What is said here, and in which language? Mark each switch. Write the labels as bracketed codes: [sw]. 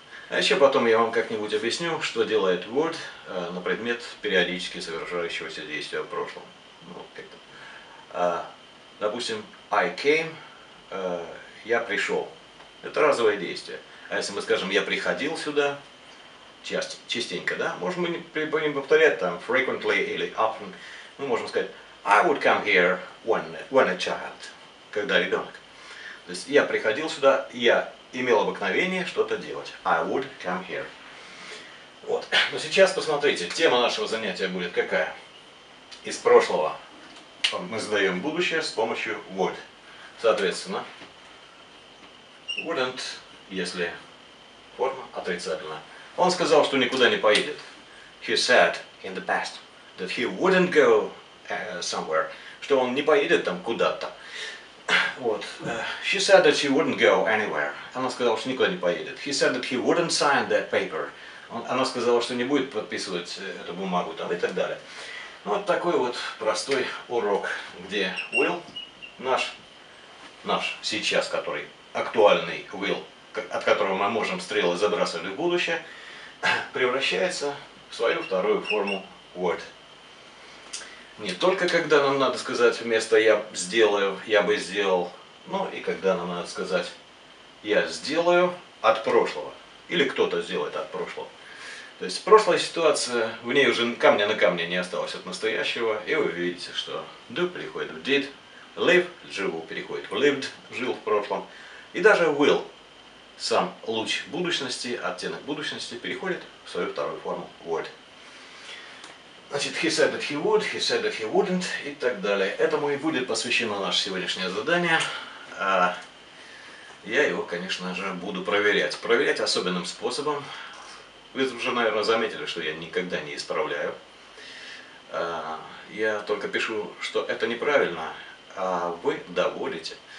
[ru] А еще потом я вам как-нибудь объясню, что делает Word на предмет периодически совершающегося действия в прошлом. Ну, как-то. Допустим, I came, я пришел. Это разовое действие. А если мы скажем, я приходил сюда, частенько, да? Можем мы не повторять там frequently или often. Мы можем сказать, [en] I would come here when a child, [ru] когда ребенок. То есть, я приходил сюда, я имел обыкновение что-то делать. [en] I would come here. [ru] Вот. Но сейчас посмотрите, тема нашего занятия будет какая? Из прошлого мы задаем будущее с помощью would. Соответственно, wouldn't, если форма отрицательная. Он сказал, что никуда не поедет. [en] He said in the past that he wouldn't go somewhere. [ru] Что он не поедет там куда-то. Вот. [en] She said that she wouldn't go anywhere. [ru] Она сказала, что никуда не поедет. [en] He said that he wouldn't sign that paper. [ru] Она сказала, что не будет подписывать эту бумагу там и так далее. Ну, вот такой вот простой урок, где Will, наш сейчас, который актуальный Will, от которого мы можем стрелы забрасывать в будущее, превращается в свою вторую форму would. Не только когда нам надо сказать вместо «я сделаю», «я бы сделал», но и когда нам надо сказать «я сделаю» от прошлого. Или кто-то сделает от прошлого. То есть прошлая ситуация, в ней уже камня на камне не осталось от настоящего. И вы видите, что do переходит в did, live, живу, переходит в lived, жил в прошлом. И даже will, сам луч будущности, оттенок будущности, переходит в свою вторую форму would. [en] Значит, he said that he would, he said that he wouldn't, [ru] и так далее. Этому и будет посвящено наше сегодняшнее задание. Я его, конечно же, буду проверять. Проверять особенным способом. Вы уже, наверное, заметили, что я никогда не исправляю. Я только пишу, что это неправильно, а вы доводите.